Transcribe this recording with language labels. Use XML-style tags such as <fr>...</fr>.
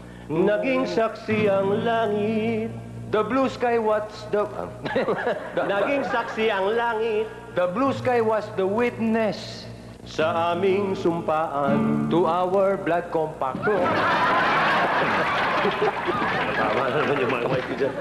<tl>Naging saksi ang langit.</tl> <en>The blue sky was the...</en> <tl>Naging saksi ang langit.</tl> <en>The blue sky was the witness.</en> <tl>Sa aming sumpaan,</tl> <en>to our blood compact.</en> <tl>Tama naman yung mga maipi dyan.</tl>